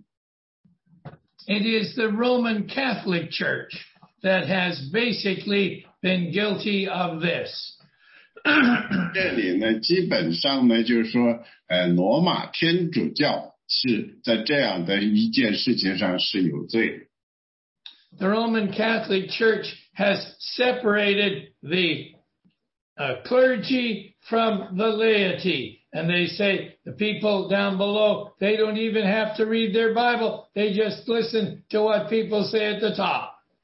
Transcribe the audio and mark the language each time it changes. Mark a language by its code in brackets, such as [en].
[en] is the Roman Catholic Church that has basically been guilty of this. [zh] 这里呢，基本上呢，就是说，罗马天主教是在这样的一件事情上是有罪。 [en] The Roman Catholic Church has separated the clergy from the laity. And they say the people down below, they don't even have to read their Bible. They just listen to what people say at the top.